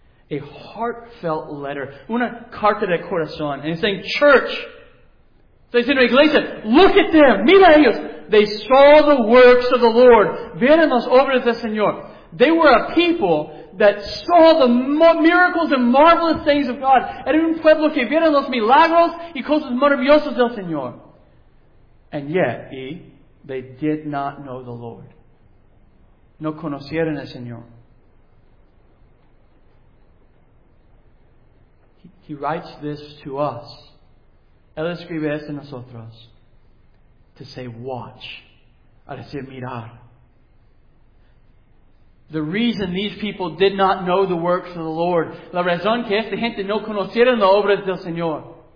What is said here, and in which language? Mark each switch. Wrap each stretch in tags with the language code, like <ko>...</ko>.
<en>A heartfelt letter.</en> <es>Una carta de corazón.</es> <en>And it's saying, church.</en> <es>Está diciendo, iglesia,</es> <en>look at them.</en> <es>Mira ellos.</es> <en>They saw the works of the Lord.</en> <es>Vieron las obras del Señor.</es> <en>They were a people that saw the miracles and marvelous things of God.</en> <es>Era un pueblo que vieron los milagros y cosas maravillosas del Señor.</es> <en>And yet, they did not know the Lord.</en> <es>No conocieron al Señor.</es> <en>He writes this to us.</en> <es>Él escribe esto a nosotros.</es> <en>To say, watch.</en> <es>A decir, mirar.</es> <en>The reason these people did not know the works of the Lord.</en> <es>La razón que esta gente no conocieron las obras del Señor.</es>